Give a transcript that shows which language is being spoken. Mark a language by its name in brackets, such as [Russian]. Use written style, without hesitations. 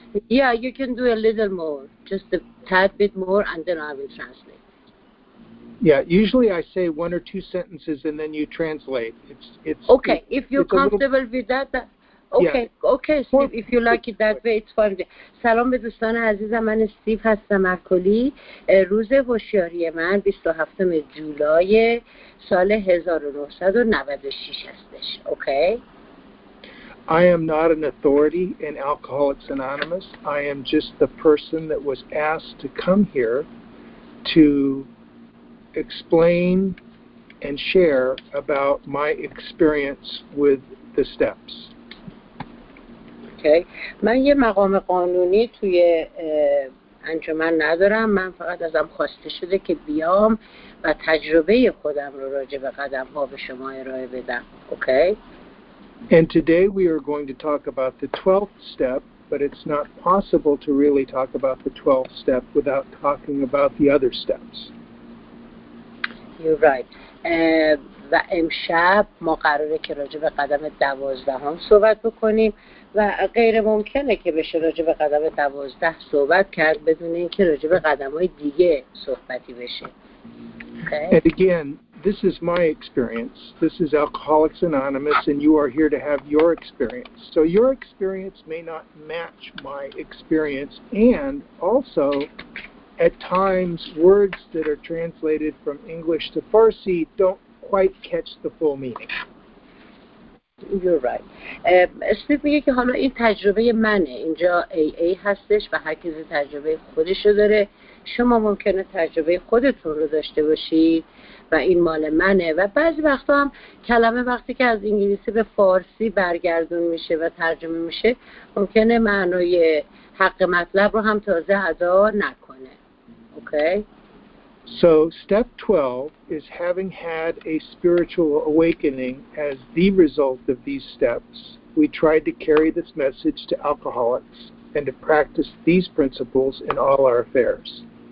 [English] Yeah, you can do a little more. Just a tad bit more, and then I will translate. Yeah, usually I say one or two sentences, and then you translate. It's okay, if you're comfortable with that, okay, Steve, if you like it that way, it's fine. [Persian] سلام به دوستان عزیزم، من استیف هستم. اکولی روز هوشیاری من 27 جولای سال 1996 هستش. اوکی. [English] I am not an authority in Alcoholics Anonymous. I am just the person that was asked to come here to explain and share about my experience with the steps. Okay. [Persian] من یه مقام قانونی توی انجمن ندارم. من فقط ازم خواسته شده که بیام و تجربه خودم رو راجع به قدم‌ها به شما ارائه بدم. Okay. [English] And today we are going to talk about the 12th step, but it's not possible to really talk about the 12th step without talking about the other steps. You're right. [Persian] و امشب ما قراره که راجع به قدم 12 صحبت بکنیم و غیر ممکنه که بشه راجع به قدم 12 صحبت کرد بدون اینکه راجع به قدم‌های دیگه صحبتی بشه. [English] And again, this is my experience. This is Alcoholics Anonymous, and you are here to have your experience. So your experience may not match my experience, and also, at times, words that are translated from English to Farsi don't quite catch the full meaning. You're right. [Persian] استیف میگه که حالا این تجربه منه. اینجا AA هستش و هر کسی تجربه خودشو داره. شما ممکنه تجربه خودتون رو داشته باشید و این مال منه. و بعضی وقتا هم کلمه وقتی که از انگلیسی به فارسی برگردون میشه و ترجمه میشه، ممکنه معنای حق مطلب رو هم تازه ادا نکنه. اوکی. [English] So step 12 is having had a spiritual awakening as the result of these steps. We tried to carry this message to alcoholics and to practice these principles in all our affairs.